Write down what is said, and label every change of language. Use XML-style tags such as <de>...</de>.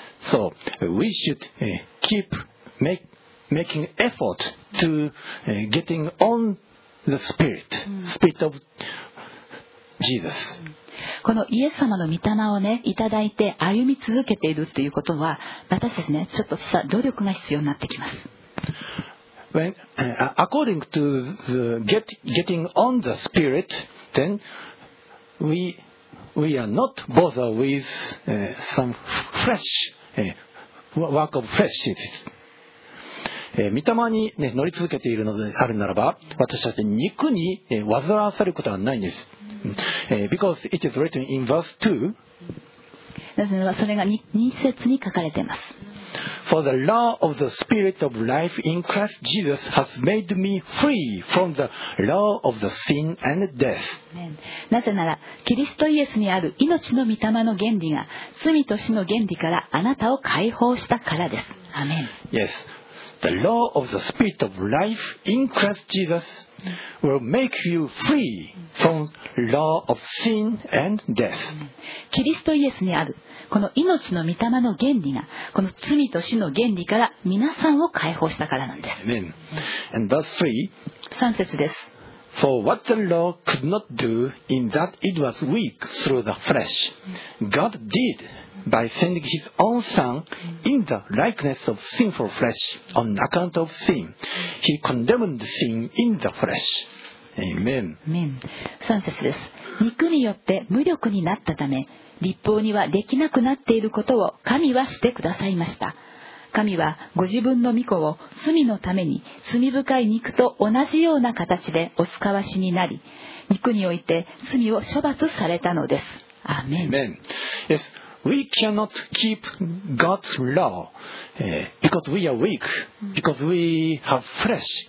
<en>So we should keep making effort to getting on the spirit, spirit of Jesus.</en> <ja>このイエス様の御霊をね、いただいて歩み続けているということは私たちね、ちょっとした努力が必要になってきます。</ja> <en>When, according to the getting on the spirit, then we are not bothered with some flesh, work of flesh.</en> <ja>御霊に、ね、乗り続けているのであるならば、私たち肉に、煩わされることはないんです。</ja> <en>Because it is written in verse 2.</en> <ja>なぜならそれが 2節に書かれています。</ja> <en>For the law of the spirit of life in Christ Jesus has made me free from the law of the sin and death.</en> <ja>なぜならキリストイエスにある命の御霊の原理が罪と死の原理からあなたを解放したからです。アメン。</ja> <en>Yes. The law of the spirit of life in Christ Jesus will make you free from law of sin and death.</en> <ja>キリストイエスにあるこの命の御霊の原理がこの罪と死の原理から皆さんを解放したからなんです。</ja> <en>Amen. And verse 3.</en> <ja>三節です。</ja> <en>For what the law could not do in that it was weak through the flesh, God did by sending his own son in the likeness of sinful flesh on account of sin. He condemned sin in the flesh. Amen.</en> <ja>Amen. 三節です。肉によって無力になったため、立法にはできなくなっていることを神はしてくださいました。神はご自分の御子を罪のために罪深い肉と同じような形でお使わしになり、肉において罪を処罰されたのです。アーメン。</ja> <en>Amen. Yes, we cannot keep God's law because we are weak, because we have flesh.</en>